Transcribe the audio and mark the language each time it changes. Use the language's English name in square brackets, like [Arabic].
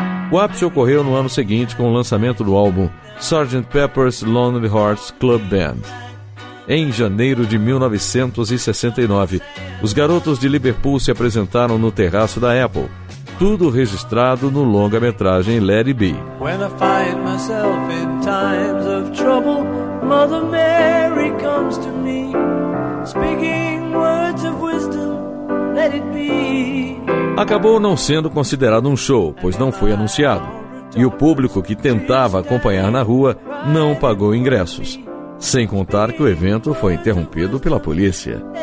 [Portuguese] O ápice ocorreu no ano seguinte com o lançamento do álbum Sgt. Pepper's Lonely Hearts Club Band. Em janeiro de 1969, os garotos de Liverpool se apresentaram no terraço da Apple, tudo registrado no longa-metragem Let It Be. [English] When I find myself in times of trouble, Mother Mary comes to me, speaking words of wisdom, let it be. [Portuguese] Acabou não sendo considerado um show, pois não foi anunciado, e o público que tentava acompanhar na rua não pagou ingressos, sem contar que o evento foi interrompido pela polícia.